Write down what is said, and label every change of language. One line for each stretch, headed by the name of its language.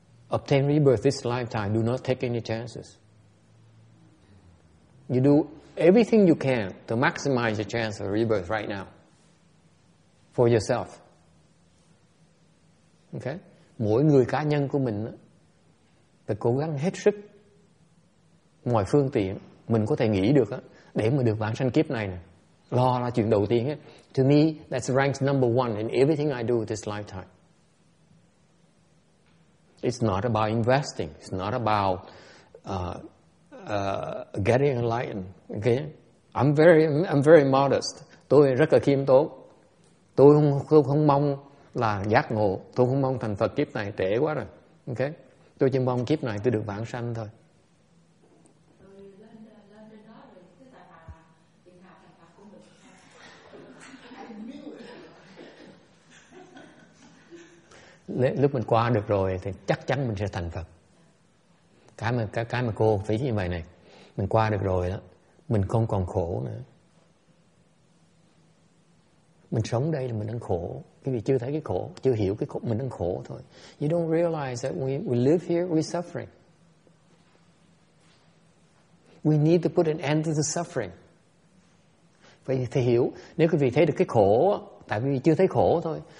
English: Obtain rebirth this lifetime, do not take any chances. You do everything you can to maximize your chance of rebirth right now for yourself. Okay?
Vietnamese: Mỗi người cá nhân của mình phải cố gắng hết sức ngoài phương tiện mình có thể nghĩ được để mà được vãng sanh kiếp này. Lo là chuyện đầu tiên.
English: To me, that's ranked number one in everything I do this lifetime. It's not about investing. It's not about getting enlightened. Okay, I'm very modest.
Vietnamese: Tôi rất là khiêm tốn. Tôi không mong là giác ngộ. Tôi không mong thành Phật kiếp này, trễ quá rồi. Okay, tôi chỉ mong kiếp này tôi được vãng sanh thôi. Lúc mình qua được rồi thì chắc chắn mình sẽ thành Phật. Cái mà cô phải như vậy này, mình qua được rồi đó, mình không còn khổ nữa. Mình sống đây là mình đang khổ. Quý vị chưa thấy cái khổ, chưa hiểu cái khổ, mình đang khổ thôi.
English: You don't realize that we live here, we're suffering. We need to put an end to the suffering.
Vietnamese: Vậy thì hiểu, nếu quý vị thấy được cái khổ, tại vì chưa thấy khổ thôi.